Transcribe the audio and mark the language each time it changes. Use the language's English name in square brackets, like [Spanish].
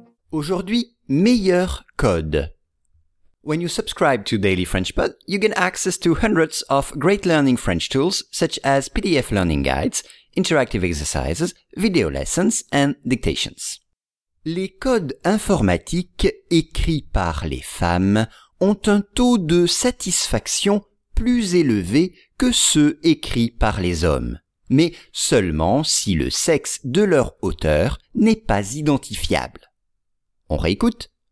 [French] Aujourd'hui, meilleur code. [English] When you subscribe to Daily French Pod, you get access to hundreds of great learning French tools such as PDF learning guides, interactive exercises, video lessons, and dictations. [French] Les codes informatiques écrits par les femmes ont un taux de satisfaction plus élevé que ceux écrits par les hommes, mais seulement si le sexe de leur auteur n'est pas identifiable. On réécoute.